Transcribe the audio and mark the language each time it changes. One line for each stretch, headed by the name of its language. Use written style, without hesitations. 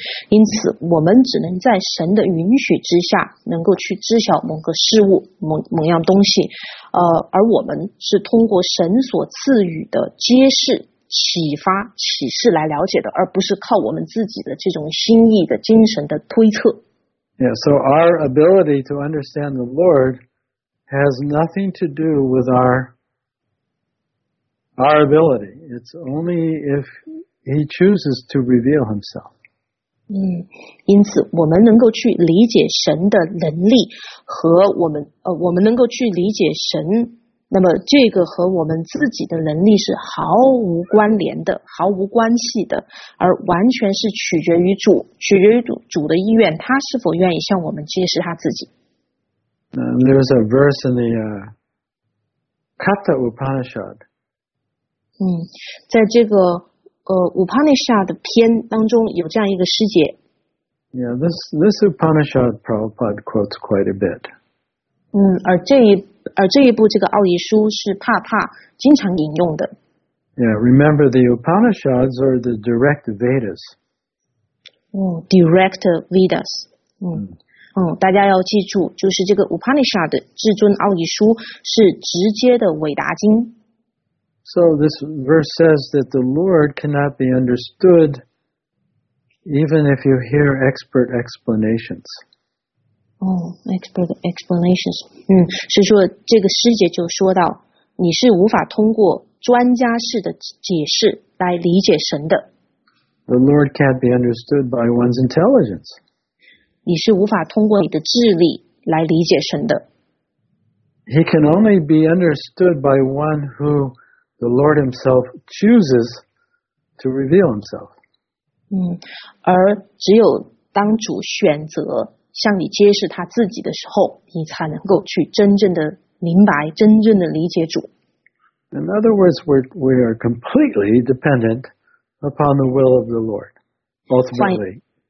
Chinese: 因此我们只能在神的允许之下能够去知晓某个事物、某样东西。而我们是通过神所赐予的揭示、启发、启示来了解的，而不是靠我们自己的这种心意的精神的推测。
English: Yeah, so our ability to understand the Lord has nothing to do with our ability. It's only if he chooses to reveal himself.
Chinese: 因此我们能够去理解神的能力和我们能够去理解神，那么这个和我们自己的能力是毫无关联的，毫无关系的，而完全是取决于主，取决于主的意愿，他是否愿意向我们揭示他自己。
English: There is a verse in the Katha Upanishad.
Chinese: 在这个Upanishad 篇当中有这样一个师节。
English: Yeah, this Upanishad Prabhupada quotes quite a bit.
Chinese: 而这一部这个奥义书是帕帕经常引用的。
English: Yeah, remember the Upanishads are the direct Vedas. Direct Vedas.
Chinese: 大家要记住，就是这个 Upanishad 至尊奥义书是直接的伟达经。
English: So this verse says that the Lord cannot be understood even if you hear expert explanations. Expert explanations.
Chinese: 是说这个师姐就说到，你是无法通过专家式的解释来理解神的。
English: The Lord can't be understood by one's intelligence.
Chinese: 你是无法通过你的智力来理解神的。
English: He can only be understood by one who the Lord himself chooses to reveal himself.
Chinese: 而只有当主选择向你揭示他自己的时候，你才能够去真正的明白，真正的理解主。
English: In other words, we are completely dependent upon the will of the Lord, ultimately.